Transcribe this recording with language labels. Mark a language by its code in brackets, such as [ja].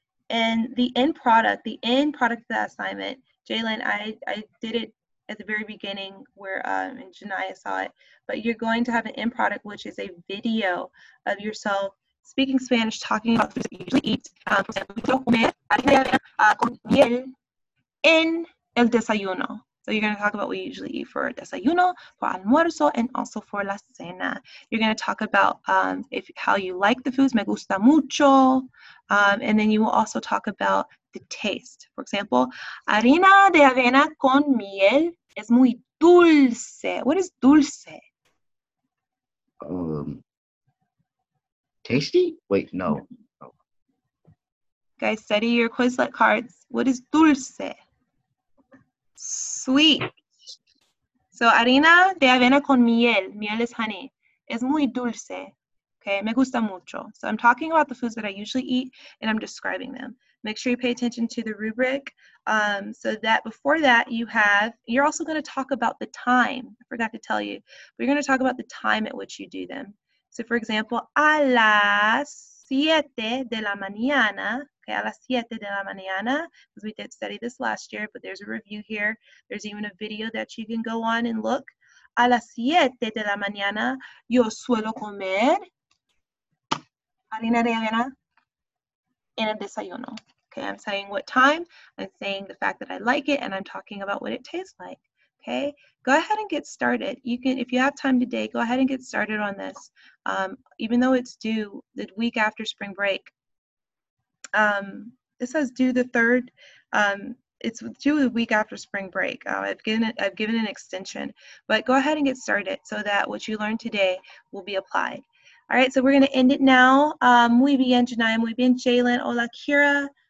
[en] and the end product of the assignment, Jalen, I did it at the very beginning where, and Janaya saw it, but you're going to have an end product, which is a video of yourself speaking Spanish, talking about foods that you usually eat, for example, [es] yo comer con miel en el desayuno. [en] So you're going to talk about what you usually eat for desayuno, for almuerzo, and also for la cena. You're going to talk about how you like the foods, [es] me gusta mucho. [en] And then you will also talk about the taste. For example, [es] harina de avena con miel es muy dulce. [en] What is dulce? Tasty? Wait, no. Guys, study your Quizlet cards. What is dulce? Sweet. [es] So harina de avena con miel. [en] Miel is honey. [es] Es muy dulce. Okay, me gusta mucho. [en] So I'm talking about the foods that I usually eat and I'm describing them. Make sure you pay attention to the rubric. So that before that you're also going to talk about the time. I forgot to tell you. We're going to talk about the time at which you do them. So for example, [es] a las 7 de la mañana. [en] Okay, [es] a las 7 de la mañana, [en] because we did study this last year, but there's a review here. There's even a video that you can go on and look. [es] A las 7 de la mañana, yo suelo comer harina de avena en el desayuno. [en] Okay, I'm saying what time, I'm saying the fact that I like it, and I'm talking about what it tastes like. Okay, go ahead and get started. You can, if you have time today, go ahead and get started on this. Even though it's due the week after spring break, it says due the third, it's due the week after spring break. I've given an extension, but go ahead and get started so that what you learned today will be applied. All right, so we're gonna end it now. [es] Muy bien, Janaya, muy bien, Jalen, hola, Kira.